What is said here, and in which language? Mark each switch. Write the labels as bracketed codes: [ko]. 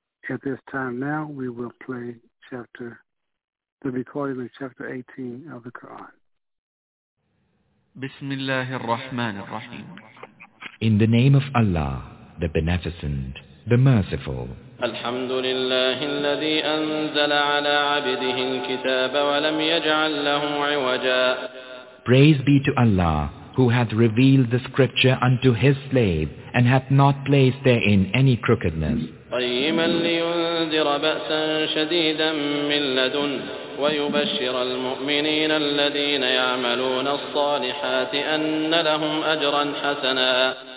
[en] At this time now, we will play the recording of Chapter 18 of the Quran. [ar] Bismillah ar-Rahman ar-Rahim. [en] In the name of Allah, the Beneficent, the Merciful. [ar] Alhamdulillah, الذي أنزل على عبده الكتاب ولم يجعل له عوجا. [en] Praise be to Allah, who hath revealed the scripture unto his slave, and hath not placed therein any crookedness. [ar] قيما لينذر بأسا شديدا من لدن ويبشر المؤمنين الذين يعملون الصالحات أن لهم أجرا حسنا.